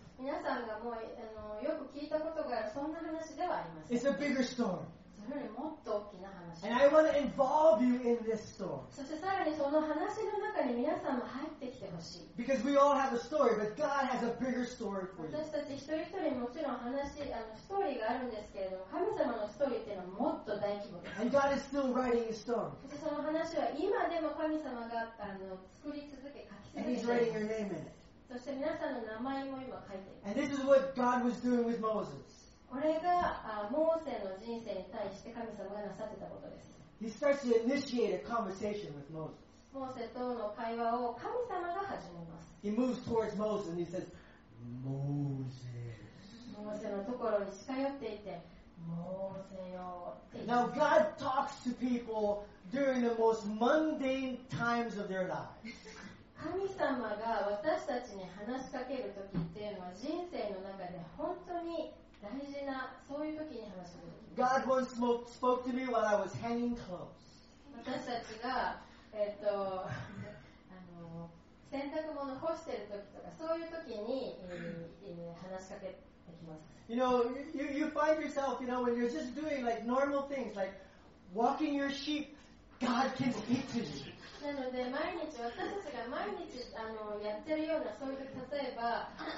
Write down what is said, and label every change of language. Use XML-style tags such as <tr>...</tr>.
<ja>皆さんがもうよく聞いたことがあるそんな話ではありません。</ja> <en>It's a bigger story.</en> <ja>もっと大きな話。</ja> <en>And I want to involve you in this story.</en> <ja>そしてさらにその話の中に皆さんも入ってきてほしい。</ja> <en>Because we all have a story, but God has a bigger story for you.</en> <ja>私たち一人一人もちろん話、ストーリーがあるんですけれども、神様のストーリーっていうのはもっと大規模です。</ja> <en>And God is still writing his story.</en> <ja>そしてその話は今でも神様が作り続け、書き続けています。</ja> <en>And he's writing your name in it.</en> <ja>そして皆さんの名前も今書いています。</ja> <en>And this is what God was doing with Moses.</en> <ja>これがモーセの人生に対して神様がなさってたことです。</ja> <en>He starts to initiate a conversation with Moses.</en> <ja>モーセとの会話を神様が始めます。</ja> <en>He moves towards Moses and he says, Moses.</en> <ja>モーセのところに近寄っていて、モーセよ。</ja> <en>Now God talks to people during the most mundane times of their lives.</en> <ja>神様が私たちに話しかけるときっていうのは人生の中で本当に大事なそういう時に話をする。</ja> <en>God once spoke to me while I was hanging clothes.</en> <ja>私たちが洗濯物干してる時とかそういう時に話しかけてきます。</ja> <en>You know, you find yourself, you know, when you're just doing like normal things, like walking your sheep, God can speak to you.</en> <ja>なので毎日私たちが毎日やってるようなそういう例えば。</ja>